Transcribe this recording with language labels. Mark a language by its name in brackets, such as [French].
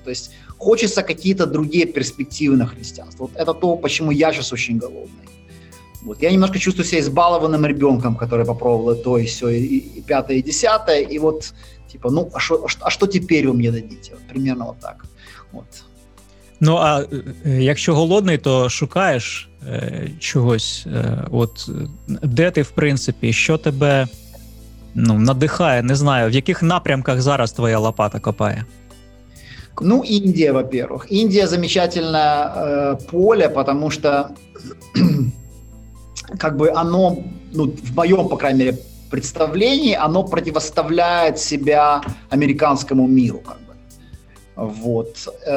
[Russian] То есть хочется какие-то другие перспективы на христианство. Вот это то, почему я сейчас очень голодный. Вот. Я немножко чувствую себя избалованным ребенком, который попробовал и то, и все, и пятое, и десятое. И вот, типа, ну, а что теперь вы мне дадите? Вот, примерно вот так. Вот. [Ukrainian] Ну, а якщо голодний, то шукаєш чогось? От де ти, в принципі, що тебе... [Russian] Ну, надыхая, не знаю, в каких напрямках зараз твоя лопата копает? Ну, Индия, во-первых. Индия замечательное поле, потому что как бы оно, ну, в моем, по крайней мере, представлении, оно противоставляет себя американскому миру, как бы. Вот.